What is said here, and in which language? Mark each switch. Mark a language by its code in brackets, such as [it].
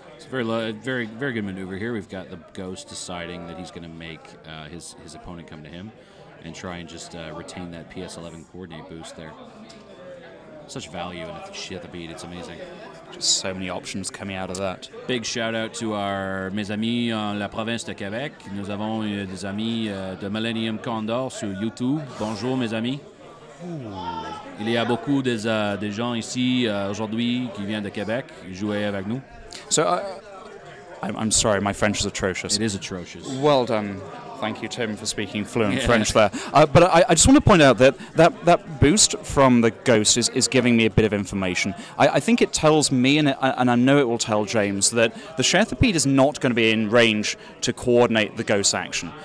[en] Very, very, very good maneuver here. We've got the Ghost deciding that he's going to make his opponent come to him and try and just retain that PS11 coordinate boost there. Such value, and she hit the beat. It's amazing. Just so many options coming out of that. Big shout out to our [fr] mes amis en la province de Québec. Nous avons des amis de Millennium Condor sur YouTube. Bonjour, mes amis. Ooh. Il y a beaucoup des gens ici aujourd'hui qui viennent de Québec jouer avec nous. [en] So, I'm sorry, my French is atrocious. It is atrocious. Well done. Thank you, Tim, for speaking fluent French there. But I just want to point out that boost from the Ghost is giving me a bit of information. I think it tells me, and I know it will tell James, that the Shethapede is not going to be in range to coordinate the Ghost action.